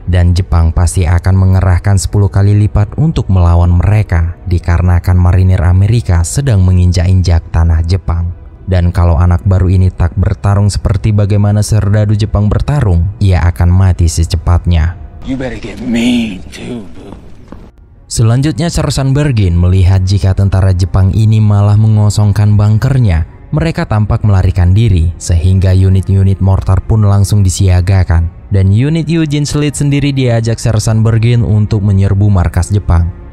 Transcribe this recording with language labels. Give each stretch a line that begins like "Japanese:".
Indonesian: Dan Jepang pasti akan mengerahkan 10 kali lipat untuk melawan mereka dikarenakan marinir Amerika sedang menginjak-injak tanah Jepang. Dan kalau anak baru ini tak bertarung seperti bagaimana serdadu Jepang bertarung, ia akan mati secepatnya.
English: You better get mean too, boo.
Indonesian: Selanjutnya Sersan Bergin melihat jika tentara Jepang ini malah mengosongkan bunkernya. Mereka tampak melarikan diri sehingga unit-unit mortar pun langsung disiagakan. Dan unit Eugene Slit sendiri diajak Sersan Bergin untuk menyerbu markas Jepang.